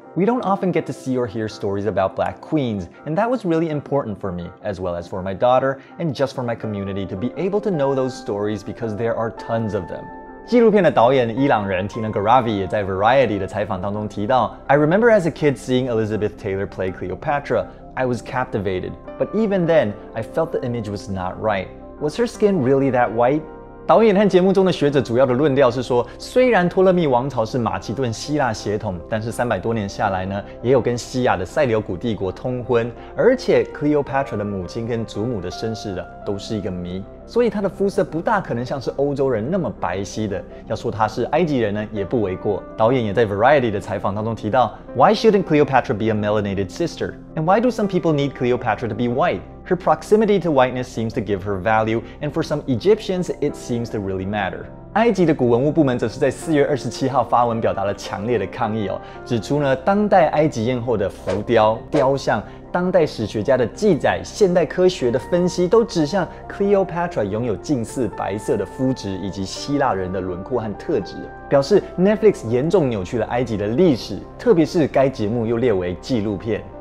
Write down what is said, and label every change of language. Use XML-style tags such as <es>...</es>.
<en>We don't often get to see or hear stories about black queens, and that was really important for me, as well as for my daughter, and just for my community to be able to know those stories because there are tons of them.</en> <zh>纪录片的导演伊朗人 Tina Garavi 也在 Variety 的采访当中提到，</zh> <en>I remember as a kid seeing Elizabeth Taylor play Cleopatra, I was captivated, but even then, I felt the image was not right. Was her skin really that white?</en> <zh>导演和节目中的学者主要的论调是说，虽然托勒密王朝是马其顿希腊血统，但是300多年下来呢，也有跟西亚的塞琉古帝国通婚，而且 Cleopatra 的母亲跟祖母的身世的都是一个谜，所以她的肤色不大可能像是欧洲人那么白皙的，要说她是埃及人呢也不为过。导演也在 Variety 的采访当中提到，</zh> <en>Why shouldn't Cleopatra be a melanated sister? And why do some people need Cleopatra to be white? Her proximity to whiteness seems to give her value, and for some Egyptians, it seems to really matter.</en> <zh>埃及的古文物部门则是在4月27号发文表达了强烈的抗议哦，指出呢，当代埃及艳后的浮雕、雕像、当代史学家的记载、现代科学的分析都指向 Cleopatra 拥有近似白色的肤质以及希腊人的轮廓和特质，表示 Netflix 严重扭曲了埃及的历史，特别是该节目又列为纪录片。</zh>